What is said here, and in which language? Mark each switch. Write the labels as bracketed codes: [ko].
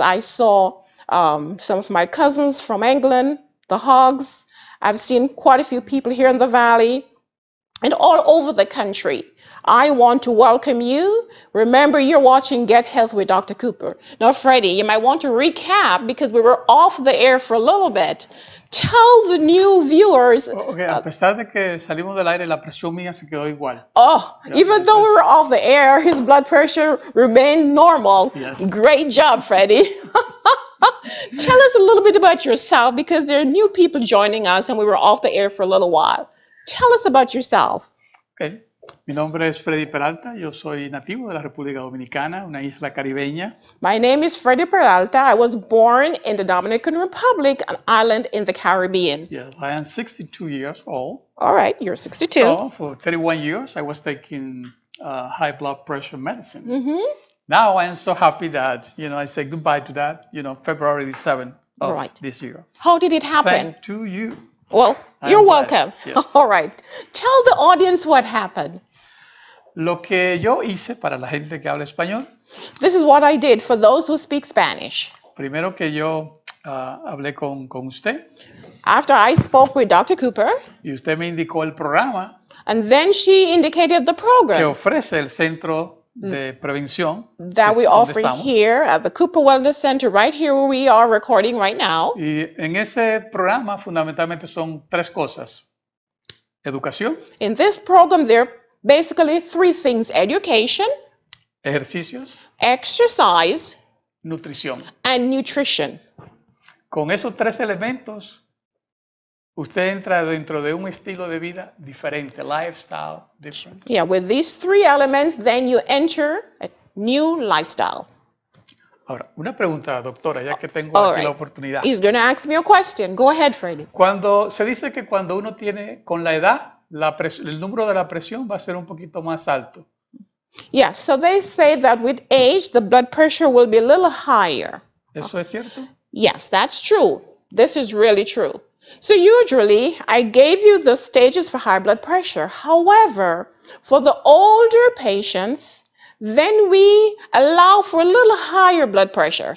[en] I saw some of my cousins from England, the Hogs. I've seen quite a few people here in the Valley and all over the country. I want to welcome you. Remember, you're watching Get Health with Dr. Cooper. Now, Freddie, you might want to recap because we were off the air for a little bit. Tell the new viewers. [es] Okay, a pesar de que salimos del aire, la presión mía se quedó igual. [en] Oh, even though we were off the air, his blood pressure remained normal. Yes. Great job, Freddie. Tell us a little bit about yourself, because there are new people joining us and we were off the air for a little while. Tell us about yourself. [es] Okay. Mi nombre es Freddy Peralta. Yo soy nativo de la República Dominicana, una isla caribeña. [en] My name is Freddy Peralta. I was born in the Dominican Republic, an island in the Caribbean. Yes, I am 62 years old. All right, you're 62. So for 31 years, I was taking high blood pressure medicine. Mm-hmm. Now I am so happy that, you know, I say goodbye to that, you know, February 7th of this year. How did it happen? Thank to you. Well, you're welcome. Yes. All right. Tell the audience what happened. [es] Lo que yo hice para la gente que habla español. [en] This is what I did for those who speak Spanish. [es] Primero que yo hablé con usted. [en] After I spoke with Dr. Cooper. [es] Y usted me indicó el programa. [en] And then she indicated the program. [es] Que ofrece el centro de prevención. [en] That we offer here at the Cooper Wellness Center, right here where we are recording right now. [es] Y en ese programa fundamentalmente son tres cosas. Educación. [en] In this program there are basically three things. Education. [es] Ejercicios. [en] Exercise. [es] Nutrición. [en] And nutrition. [es] Con esos tres elementos, usted entra dentro de un estilo de vida diferente, [en] lifestyle different. Yeah, with these three elements, then you enter a new lifestyle. [es] Ahora, una pregunta, doctora, ya que tengo [en] All [es] aquí [en] right. [es] la oportunidad. [en] He's going to ask me a question. Go ahead, Freddy. [es] Cuando se dice que cuando uno tiene con la edad, la el número de la presión va a ser un poquito más alto. [en] Yeah, so they say that with age, the blood pressure will be a little higher. [es] ¿Eso es cierto? [en] Yes, that's true. This is really true. So usually, I gave you the stages for high blood pressure. However, for the older patients, then we allow for a little higher blood pressure.